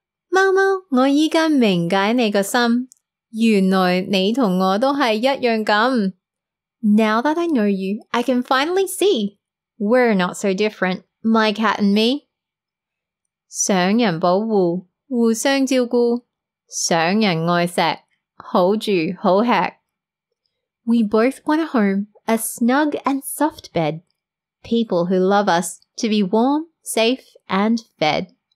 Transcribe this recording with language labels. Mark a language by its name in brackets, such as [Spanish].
[Cantonese] 貓貓,我依家明解你個心。原来你同我都系一样咁。 [English] Now that I know you, I can finally see. We're not so different, my cat and me. [Cantonese] 想人保护,互相照顾,想人爱锡,好住好吃。 [English] We both want a home, a snug and soft bed. People who love us to be warm, safe and fed.